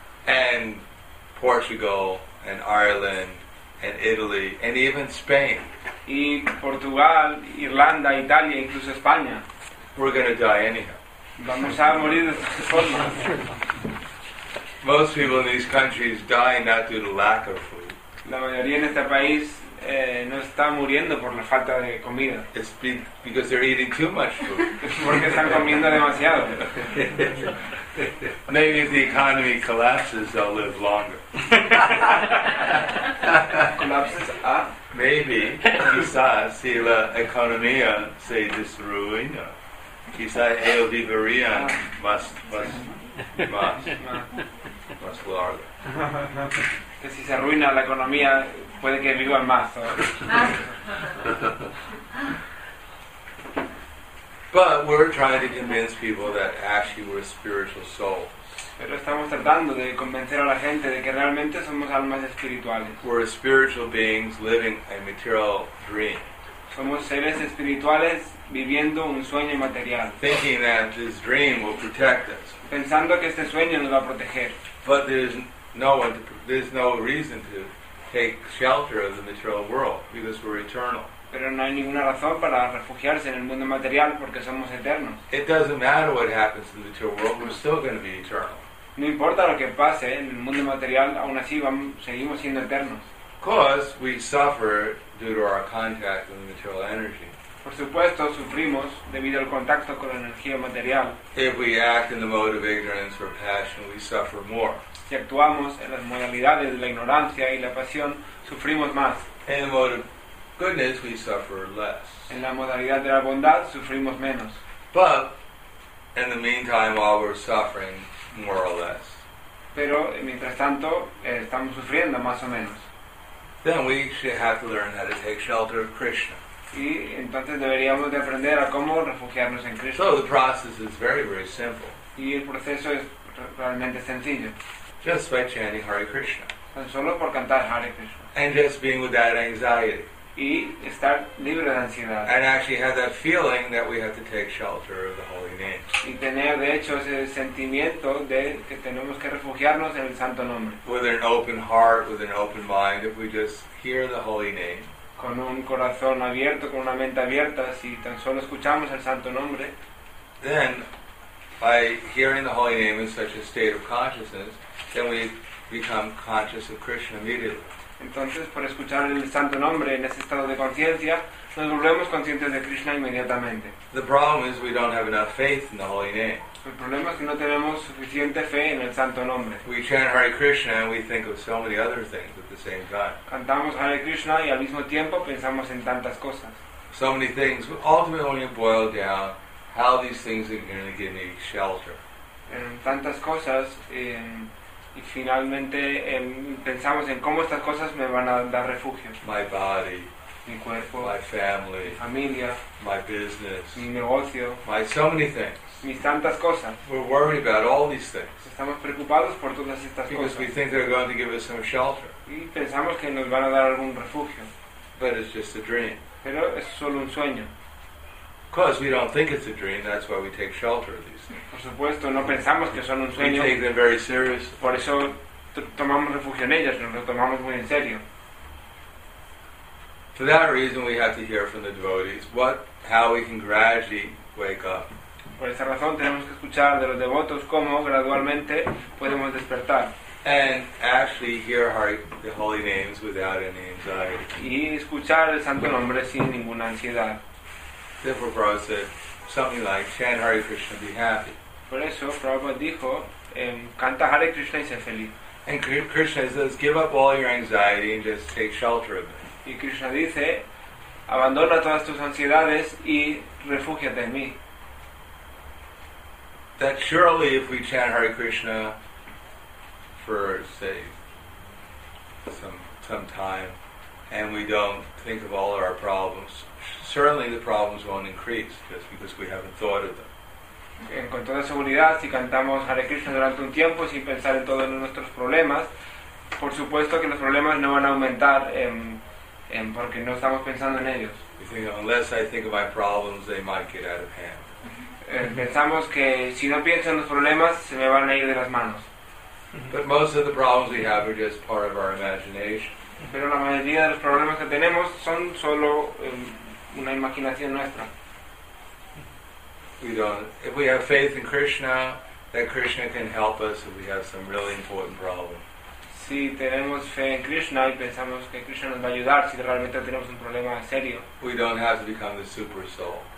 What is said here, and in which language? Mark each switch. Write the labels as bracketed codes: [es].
[en] And Portugal and Ireland and Italy and even Spain. [es] Y Portugal, Irlanda, Italia, incluso España. [en] We're going to die anyhow. [es] Vamos a morir de todas formas. [en] Most people in these countries die not due to lack of food. [es] La mayoría en este país no está muriendo por la falta de comida. [en] It's because they're eating too much food. [es] Porque están comiendo demasiado. [en] Maybe if the economy collapses, they'll live longer. Collapses, Maybe, [es] quizás, si la economía se desruina, quizás ellos vivirían más largo. Que si se arruina la economía, puede que vivan más. [en] But we're trying to convince people that actually we're spiritual souls. [es] Pero estamos tratando de convencer a la gente de que realmente somos almas espirituales. [en] We're spiritual beings living a material dream. [es] Somos seres espirituales viviendo un sueño material. [en] Thinking that this dream will protect us. [es] Pensando que este sueño nos va a proteger. [en] But there's no reason to take shelter of the material world because we're eternal. [es] Pero no hay ninguna razón para refugiarse en el mundo material porque somos eternos. [en] It doesn't matter what happens to the material world, we're still going to be eternal. [es] No importa lo que pase en el mundo material, aún así seguimos siendo eternos. [en] Because we suffer due to our contact with the material energy. [es] Por supuesto, sufrimos debido al contacto con la energía material. [en] If we act in the mode of ignorance or passion, we suffer more. [es] Si actuamos en las modalidades de la ignorancia y la pasión, sufrimos más. [en] In the mode of goodness, we suffer less. [es] En la modalidad de la bondad, sufrimos menos. [en] But, in the meantime, while we're suffering, more or less. [es] Pero, mientras tanto, estamos sufriendo más o menos. [en] Then we should have to learn how to take shelter of Krishna. [es] Y entonces deberíamos de aprender a cómo refugiarnos en Cristo. [en] So the process is very, very simple. [es] Y el proceso es realmente sencillo. [en] Just by chanting Hare Krishna. [es] Tan solo por cantar Hare Krishna. [en] And just being with that anxiety. [es] Y estar libre de ansiedad. [en] And actually have that feeling that we have to take shelter of the holy name. [es] Y tener de hecho ese sentimiento de que tenemos que refugiarnos en el santo nombre. [en] With an open heart, with an open mind, if we just hear the holy name. [es] Con un corazón abierto, con una mente abierta, si tan solo escuchamos el Santo Nombre, [en] then, by hearing the Holy Name in such a state of consciousness, then we become conscious of Krishna immediately. [es] Entonces, por escuchar el Santo Nombre en ese estado de conciencia, nos volvemos conscientes de Krishna inmediatamente. [en] The problem is we don't have enough faith in the Holy Name. [es] El problema es que no tenemos suficiente fe en el Santo Nombre. [en] We chant Hare Krishna and we think of so many other things at the same time. [es] Cantamos Hare Krishna y al mismo tiempo pensamos en tantas cosas. [en] So many things. Ultimately, when you boil down, how these things are going to give me shelter. [es] En tantas cosas y finalmente pensamos en cómo estas cosas me van a dar refugio. [en] My body. [es] Mi cuerpo, [en] my family, [es] mi familia, [en] my business, [es] mi negocio, [en] my so many things. [es] Mis tantas cosas. [en] We're worried about all these things. [es] Estamos preocupados por todas estas [en] because [es] cosas. [en] We think they're going to give us some shelter. [es] Y pensamos que nos van a dar algún refugio. [en] But it's just a dream. [es] Pero es solo un sueño. [en] Because we don't think it's a dream, that's why we take shelter of these things. [es] Por supuesto, no pensamos que son un sueño. [en] We take them very seriously. [es] Por eso tomamos refugio en ellas, nos lo tomamos muy en serio. [en] For that reason, we have to hear from the devotees how we can gradually wake up. [es] Por esa razón, tenemos que escuchar de los devotos cómo gradualmente podemos despertar. [en] And actually hear the holy names without any anxiety. [es] Y escuchar el santo nombre sin ninguna ansiedad. [en] Therefore, Prabhupada said something like, "Chant Hare Krishna, be happy." [es] Por eso, Prabhupada dijo, "Canta Hare Krishna y sé feliz." [en] And Krishna says, "Give up all your anxiety and just take shelter of it." [es] Y Krishna dice, abandona todas tus ansiedades y refúgiate en mí. [en] That surely if we chant Hare Krishna for, say, some time, and we don't think of all of our problems, certainly the problems won't increase just because we haven't thought of them. [es] Con toda seguridad, si cantamos Hare Krishna durante un tiempo sin pensar en todos nuestros problemas, por supuesto que los problemas no van a aumentar porque no estamos pensando en ellos. [en] Unless I think of my problems, they might get out of hand. [es] Pensamos que si no pienso en los problemas, se me van a ir de las manos. [en] But most of the problems we have are just part of our imagination. [es] Pero la mayoría de los problemas que tenemos son solo una imaginación nuestra. [en] If we have faith in Krishna, that Krishna can help us if we have some really important problem. [es] Si tenemos fe en Krishna y pensamos que Krishna nos va a ayudar si realmente tenemos un problema serio, [en] we don't have to become the super soul.